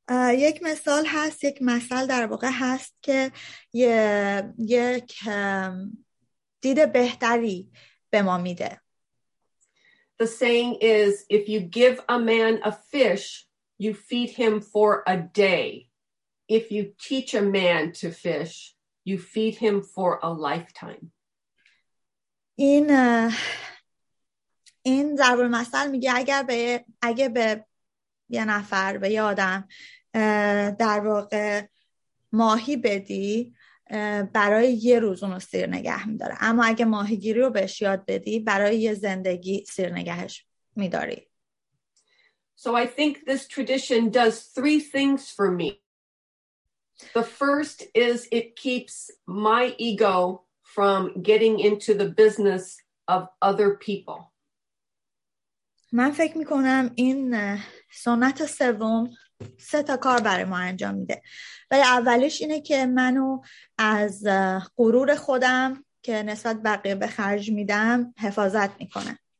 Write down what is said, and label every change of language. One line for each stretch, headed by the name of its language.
Persian: یک مثال هست، یک مثال در واقع هست که یک دید بهتری به ما میده.
English: The saying is, if you give a man a fish, you feed him for a day. If you teach a man to fish, you feed him for a lifetime.
Persian: این ضرب المثل میگه اگه به یه نفر، به یه آدم در واقع ماهی بدی، برای یه روز اونو سیر نگه میداره، اما اگه ماهیگیری رو بهش یاد بدی، برای یه زندگی سیر نگهش میداری.
English: So I think this tradition does three things for me. The first is it keeps my ego from getting into the business of other people.
Persian: من فکر میکنم این سنت سوم سه تا کار برای ما انجام میده. ولی اولیش اینه که منو از غرور خودم که نسبت بقیه به خرج میدم حفاظت میکنه.